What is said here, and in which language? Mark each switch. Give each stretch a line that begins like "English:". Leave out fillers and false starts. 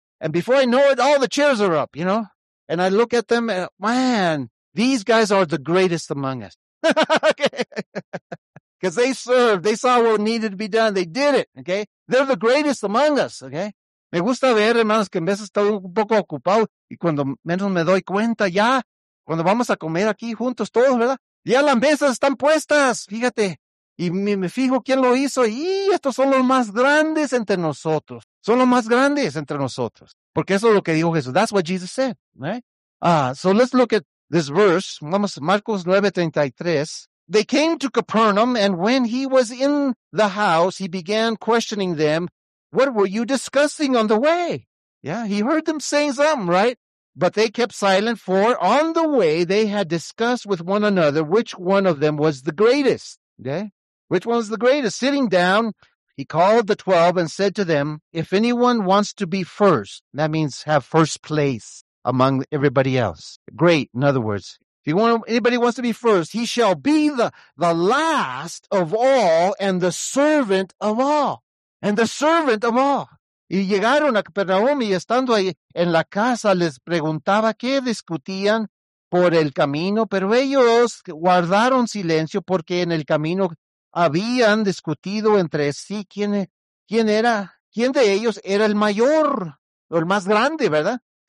English: And before I know it, all the chairs are up, you know? And I look at them, and, man, these guys are the greatest among us. Okay. Because they served. They saw what needed to be done. They did it, okay? They're the greatest among us, okay?
Spanish: Me gusta ver, hermanos, que en veces estoy un poco ocupado. Y cuando menos me doy cuenta, ya, cuando vamos a comer aquí juntos todos, ¿verdad? Ya las mesas están puestas, fíjate. Y me fijo quién lo hizo. Y estos son los más grandes entre nosotros. Son los más grandes entre nosotros. Porque eso es lo que dijo Jesús.
English: That's what Jesus said, right? So let's look at this verse.
Spanish: Vamos,
English: Marcos 9:33. They came to Capernaum, and when he was in the house, he began questioning them, what were you discussing on the way? Yeah, he heard them saying something, right? But they kept silent, for on the way they had discussed with one another which one of them was the greatest. Okay? Which one was the greatest? Sitting down, he called the 12 and said to them, if anyone wants to be first, that means have first place among everybody else. Great, in other words, anybody wants to be first, he shall be the last of all and the servant of all. And the servant of all.
Spanish: Y llegaron a Capernaum y estando ahí en la casa les preguntaba qué discutían por el camino, pero ellos guardaron silencio porque en el camino habían discutido entre sí quién de ellos era el mayor o el más grande, ¿verdad?